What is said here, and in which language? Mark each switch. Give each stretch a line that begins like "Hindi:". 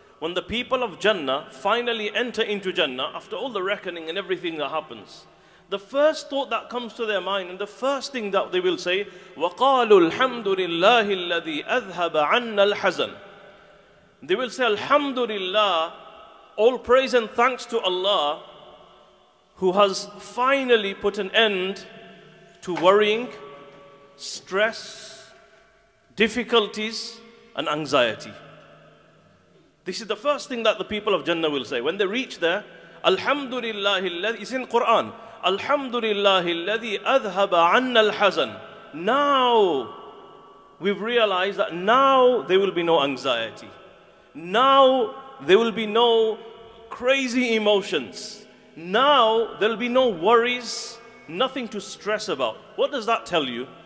English: When the people of Jannah finally enter into Jannah, after all the reckoning and everything that happens, the first thought that comes to their mind and the first thing that they will say,
Arabic: وَقَالُوا الْحَمْدُ لِلَّهِ الَّذِي أَذْهَبَ عَنَّ الْحَزَنِ.
English: They will say, Alhamdulillah, all praise and thanks to Allah who has finally put an end to worrying, stress, difficulties, and anxiety. This is the first thing that the people of Jannah will say when they reach there. Alhamdulillah, it's in Quran.
Arabic: Alhamdulillah, الذي أذهب عن الحزن.
English: Now we've realized that now there will be no anxiety. Now there will be no crazy emotions. Now there'll be no worries. Nothing to stress about. What does that tell you?